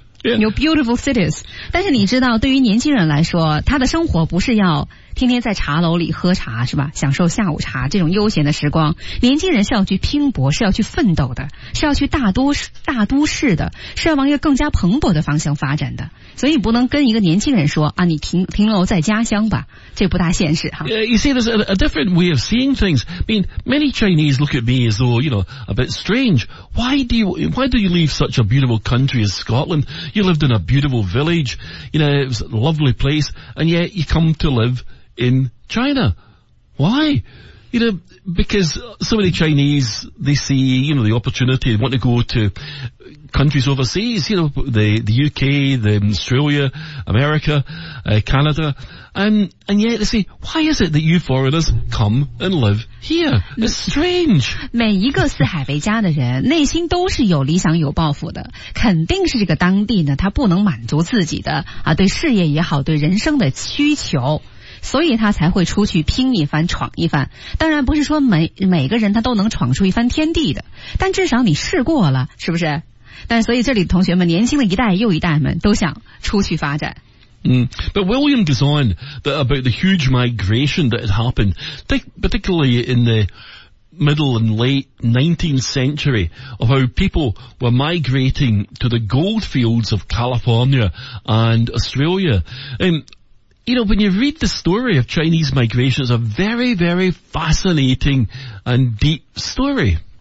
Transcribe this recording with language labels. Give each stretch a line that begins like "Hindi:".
Chinese: 有
English: beautiful cities
Chinese: 但是你知道对于年轻人来说他的生活不是要天天在茶楼里喝茶是吧享受下午茶这种悠闲的时光年轻人是要去拼搏是要去奋斗的是要去大都市的是要往一个更加蓬勃的方向发展的所以不能跟一个年轻人说啊，你停留在家乡吧这不大现实哈。
English: You see there's a different way of seeing things I mean many Chinese look at me as though you know a bit strange why do you leave such a beautiful country as Scotland you lived in a beautiful village you know it was a lovely place and yet you come to liveIn China. Why? You know, because so many Chinese, they see, you know, the opportunity, they want to go to countries overseas, you know, the UK, the Australia, America, Canada, and yet they say, why is it that you foreigners come and live here? It's strange.
Chinese: 每一个四海为家的人内心都是有理想有抱负的肯定是这个当地呢他不能满足自己的啊，对事业也好对人生的需求所以他才会出去拼一番闯一番当然不是说每个人他都能闯出一番天地的但至少你试过了是不是但所以这里的同学们年轻的一代又一代们都想出去发展
English: But William goes on that about the huge migration that had happened particularly in the middle and late 19th century of how people were migrating to the gold fields of California and Australia andYou know, when you read the story of Chinese migration, it's a very, very fascinating and deep story.